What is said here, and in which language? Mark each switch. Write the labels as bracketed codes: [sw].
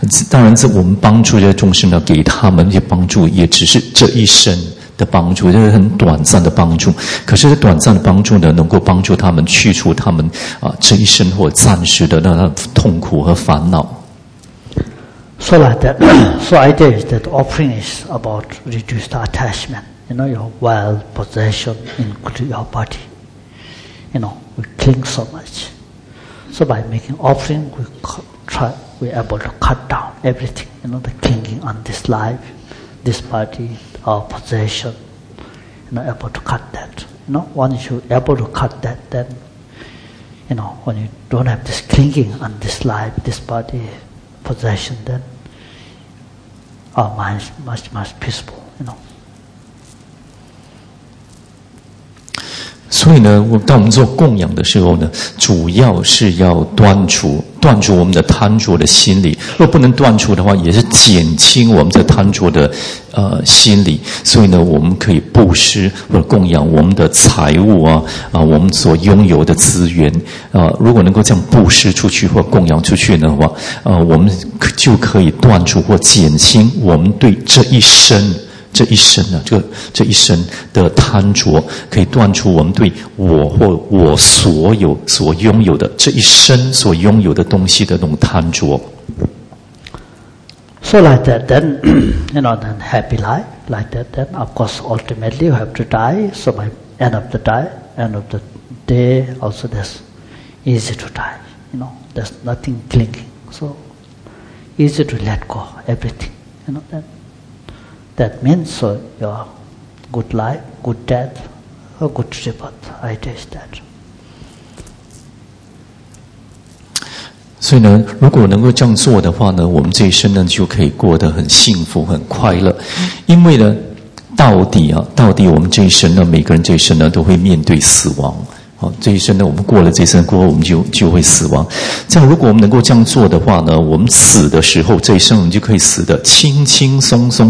[zh] 当然，这我们帮助这些众生呢，给他们一些帮助，也只是这一生的帮助，这是很短暂的帮助。可是，短暂的帮助呢，能够帮助他们去除他们这一生或暂时的那痛苦和烦恼。 [en] So like that. So idea is that offering is about reduce the attachment. You know, your wealth, possession, including your body. You know, we cling so much. So by making offering, we're able to cut down everything. You know, the clinging on this life, this body, our possession. You know, able to cut that. You know, once you're able to cut that, then, you know, when you don't have this clinging on this life, this body, possession, then,Our mind is much, much peaceful, you know. [zh] 所以呢，当我们做供养的时候呢，主要是要断除我们的贪着的心理。若不能断除的话，也是减轻我们的贪着的心理。所以呢，我们可以布施或者供养我们的财物我们所拥有的资源如果能够这样布施出去或供养出去的话我们就可以断除或减轻我们对这一生呢、啊，这一生的贪着，可以断除我们对我或我所有所拥有的这一生所拥有的东西的那种贪着。 [en] So like that, then you know, then happy life like that. Then of course, ultimately you have to die. So by end of the day, also that's easy to die. You know, there's nothing clinging. So easy to let go everything. You know that. That means so your good life, good death, a good rebirth. I taste that. [zh] 所以呢，如果能够这样做的话呢，我们这一生呢就可以过得很幸福、很快乐，因为呢，到底我们这一生呢，每个人这一生呢都会面对死亡。这一生呢，我们过了这一生过后，我们就会死亡。这样，如果我们能够这样做的话呢，我们死的时候，这一生我们就可以死得轻轻松松。